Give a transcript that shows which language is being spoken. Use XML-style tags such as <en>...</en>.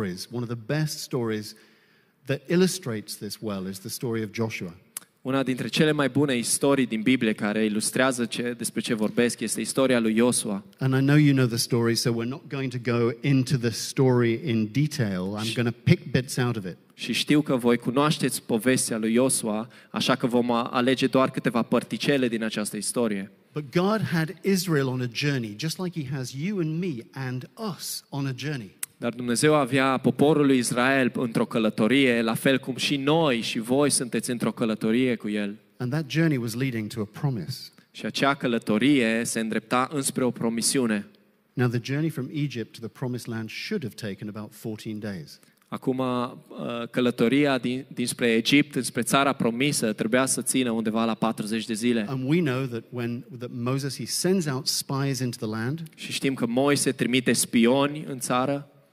<en>One of the best stories that illustrates this well is the story of Joshua.</en> <ro>Una dintre cele mai bune istorii din Biblie care ilustrează despre ce vorbesc este istoria lui Iosua.</ro> <en>And I know you know the story, so we're not going to go into the story in detail. I'm going to pick bits out of it.</en> <ro>Și știu că voi cunoașteți povestea lui Iosua, așa că vom alege doar câteva părticele din această istorie.</ro> <en>But God had Israel on a journey, just like he has you and me and us on a journey.</en> <ro>Dar Dumnezeu avea poporul lui Israel într-o călătorie, la fel cum și noi și voi sunteți într-o călătorie cu El.</ro> <en>And that journey was leading to a promise.</en> <ro>Și acea călătorie se îndrepta înspre o promisiune.</ro> <en>Now the journey from Egypt to the promised land should have taken about 14 days.</en> <ro>Acum călătoria dinspre Egipt, înspre țara promisă, trebuia să țină undeva la 40 de zile.</ro> <en>And we know that when that Moses he sends out spies into the land.</en> <ro>Și știm că Moise trimite spioni în țară.</ro>